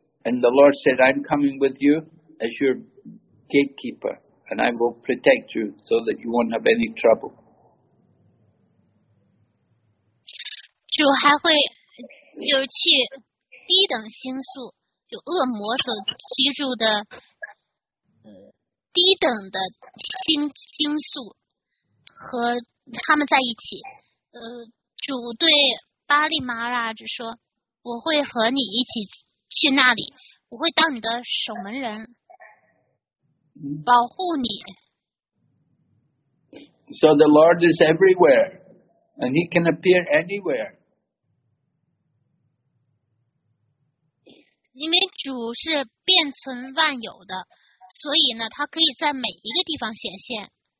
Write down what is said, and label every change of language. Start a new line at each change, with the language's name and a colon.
English: And the Lord said, I'm coming with you as your gatekeeper and I will protect you so that you won't have any trouble.
Chinese: 主还会就去低等星宿，就恶魔所居住的低等的星宿和他们在一起。主对巴利玛拉就说，我会和你一起去那里，我会当你的守门人，保护你。
English: So the Lord is everywhere, and he can appear anywhere.
Chinese: 因为主是遍存万有的，所以呢，他可以在每一个地方显现。